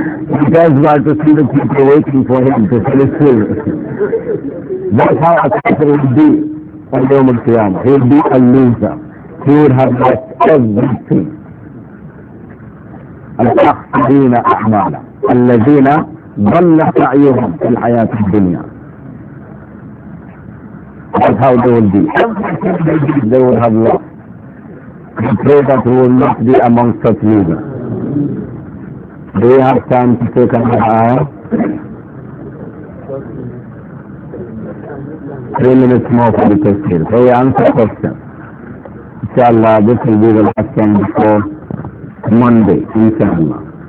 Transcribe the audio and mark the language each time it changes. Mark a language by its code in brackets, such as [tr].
[en] He comes back to see the people waiting for him to finish swimming. That's how a person would be on Yawm al-Qiyamah. He would be a loser. He would have lost everything. [ar] الأخذين أعمالا الذين ضل سعيهم في الحياة الدنيا. [en] That's how they will be. Everything they did, they would have lost. We pray that we will not be amongst such leaders. Do we have time to take another hour? 3 minutes more for the question. So we answer questions. Inshallah, this will be the last time before Monday, inshallah.